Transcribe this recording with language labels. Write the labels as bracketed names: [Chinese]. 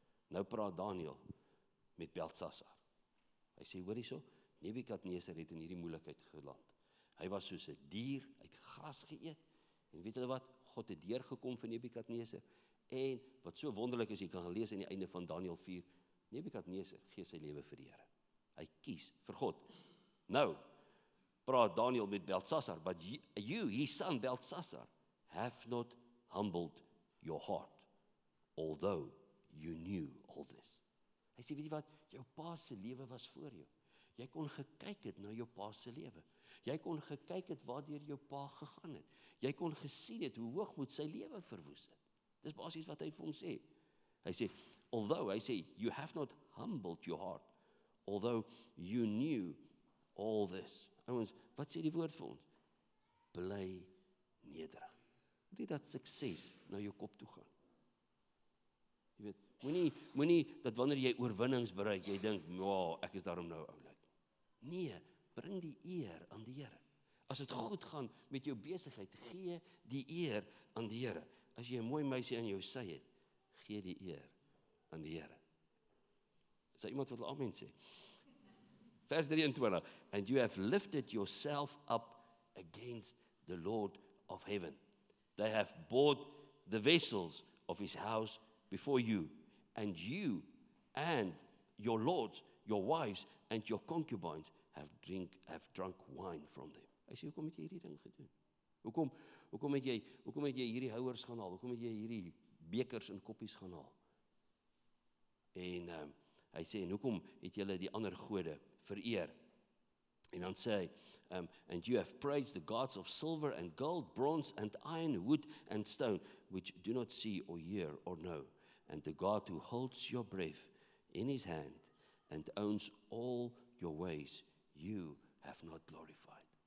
[Afrikaans] Nou praat Daniel met Belsasar. Hy sê, hoor hierso, Nebukadneser het in hierdie moeilikheid geland. Hy was soos 'n dier, hy het gras geëet, en weet hulle wat, God het deurgekom vir Nebukadneser, en wat so wonderlik is, jy kan lees in die einde van Daniel 4, Nebukadneser gee sy lewe vir die Here. Hy kies vir God. Nou, praat Daniel met Belsasar, [English] but you, his son Belsasar, have not humbled your heart, although you knew all this. [Afrikaans] Hy sê, weet jy wat, jou pa se lewe was voor jou. Jy kon gekyk het na jou pa se lewe. Jy kon gekyk het waardeur jou pa gegaan het. Jy kon gesien het hoe hoog moet sy lewe verwoes het. Dis basies wat hy vir hom sê. Hy sê, [English] although, hy sê, you have not humbled your heart, although you knew all this. [Afrikaans] Ons, wat sê die woord vir ons? Bly nederig. Moet nie dat sukses na jou kop toe gaan. Jy weet, moenie dat wanneer jy oorwinnings bereik, jy dink, wow, ek is daarom nou oulik. Nee, bring die eer aan die Here. As het goed gaan met jou besigheid, gee die eer aan die Here. As jy 'n mooi meisie aan jou sy het, gee die eer aan die Here. Is daar iemand wat wil amen sê? Vers 23, [English] and you have lifted yourself up against the Lord of heaven. They have bought the vessels of his house before you, and you and your lords, your wives and your concubines have drunk wine from them. [Afrikaans] Hy sê, hoekom het jy hierdie ding gedoen? Hoekom het jy hierdie houers gaan haal? Hoekom het jy hierdie bekers en koppies gaan haal? En hy sê, en hoekom het julle die ander gode vereer? En dan sê hy, [English] and you have praised the gods of silver and gold, bronze and iron, wood and stone, which do not see or hear or know. And the God who holds your breath in his hand and owns all your ways, you have not glorified.